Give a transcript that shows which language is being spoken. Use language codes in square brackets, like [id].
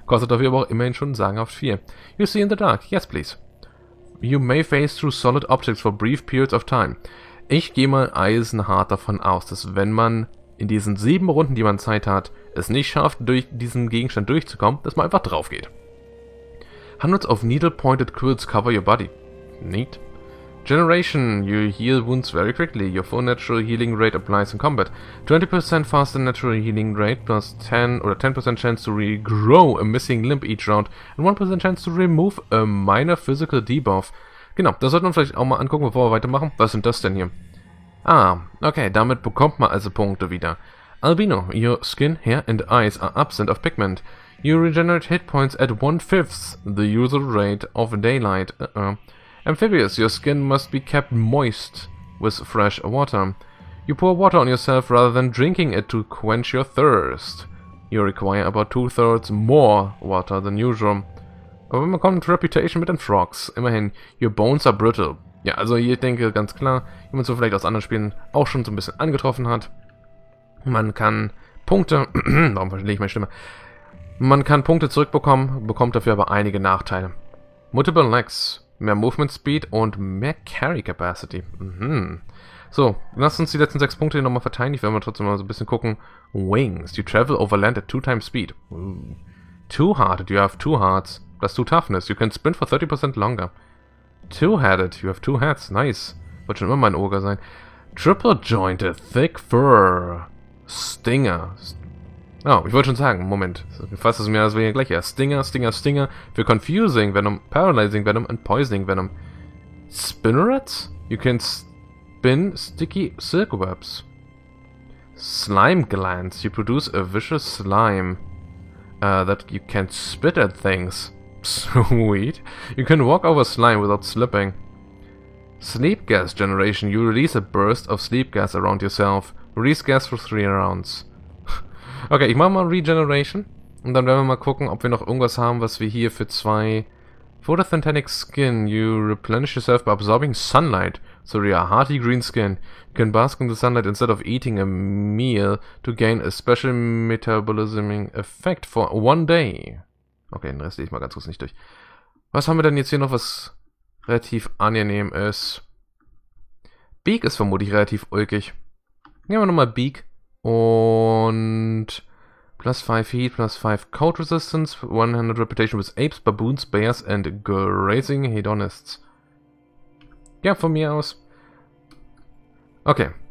[de] Kostet dafür aber auch immerhin schon sagenhaft 4. [en] You see in the dark. Yes, please. You may phase through solid objects for brief periods of time. [de] Ich gehe mal eisenhart davon aus, dass wenn man in diesen 7 Runden, die man Zeit hat, es nicht schafft, durch diesen Gegenstand durchzukommen, dass man einfach drauf geht. [en] Hundreds of needle-pointed quills cover your body. Neat. Generation, you heal wounds very quickly. Your full natural healing rate applies in combat. 20% faster natural healing rate plus 10% chance to regrow a missing limb each round and 1% chance to remove a minor physical debuff. [de] Genau, das sollte man vielleicht auch mal angucken, bevor wir weitermachen. Was sind das denn hier? Ah, okay, damit bekommt man also Punkte wieder. [en] Albino, your skin, hair and eyes are absent of pigment. You regenerate hit points at 1/5 the usual rate of daylight. Amphibious, your skin must be kept moist with fresh water. You pour water on yourself rather than drinking it to quench your thirst. You require about 2/3 more water than usual. [de] Aber wir bekommen eine Reputation mit den Frogs. Immerhin, [en] your bones are brittle. [de] Ja, also ich denke ganz klar, wie man so vielleicht aus anderen Spielen auch schon so ein bisschen angetroffen hat. Man kann Punkte... Warum verstehe ich meine Stimme? Man kann Punkte zurückbekommen, bekommt dafür aber einige Nachteile. Multiple Legs, mehr Movement Speed und mehr Carry Capacity. Mhm. So, lass uns die letzten 6 Punkte hier nochmal verteilen. Ich werde mal trotzdem mal so ein bisschen gucken. [en] Wings, you travel over land at 2x speed. Two-hearted, you have 2 hearts. That's too toughness. You can sprint for 30% longer. Two-headed, you have 2 heads. Nice. [de] Wird schon immer mein Ogre sein. [en] Triple-jointed, thick fur. Stinger. [de] Oh, ich wollte schon sagen, Moment. Fast ist mir das wegen gleich. Ja, Stinger, Stinger, Stinger. Für Confusing Venom, Paralyzing Venom und Poisoning Venom. Spinnerets? [en] You can spin sticky silkwebs. Slime glands. You produce a vicious slime. That you can spit at things. Sweet. You can walk over slime without slipping. Sleep gas generation. You release a burst of sleep gas around yourself. Release gas for 3 rounds. [de] Okay, ich mach mal Regeneration. Und dann werden wir mal gucken, ob wir noch irgendwas haben, was wir hier für 2... [en] Photosynthetic skin. You replenish yourself by absorbing sunlight. So you're a hearty green skin. You can bask in the sunlight instead of eating a meal to gain a special metabolizing effect for 1 day. [de] Okay, den Rest lese ich mal ganz kurz nicht durch. Was haben wir denn jetzt hier noch, was relativ angenehm ist? Beak ist vermutlich relativ ulkig. Nehmen wir nochmal Beak. [en] Und plus 5 Heat, plus 5 Cold Resistance, 100 Reputation with Apes, Baboons, Bears and Grazing Hedonists. [de] Ja, von mir aus. [en] Okay.